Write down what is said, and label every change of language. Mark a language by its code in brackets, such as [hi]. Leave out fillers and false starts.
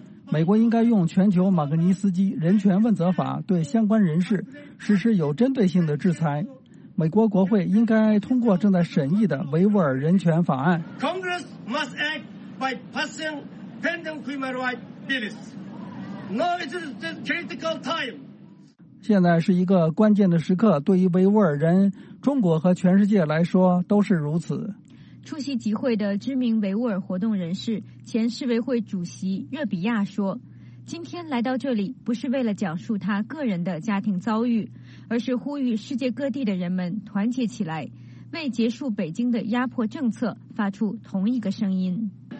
[zh] 美国应该用全球马格尼斯基人权问责法对相关人士实施有针对性的制裁。美国国会应该通过正在审议的维吾尔人权法案。 [en] Congress must act by passing pending human rights bills. Now it is the critical time. [zh] 现在是一个关键的时刻，对于维吾尔人、中国和全世界来说都是如此。出席集会的知名维吾尔活动人士、前世维会主席热比亚说，今天来到这里不是为了讲述他个人的家庭遭遇，而是呼吁世界各地的人们团结起来，为结束北京的压迫政策发出同一个声音。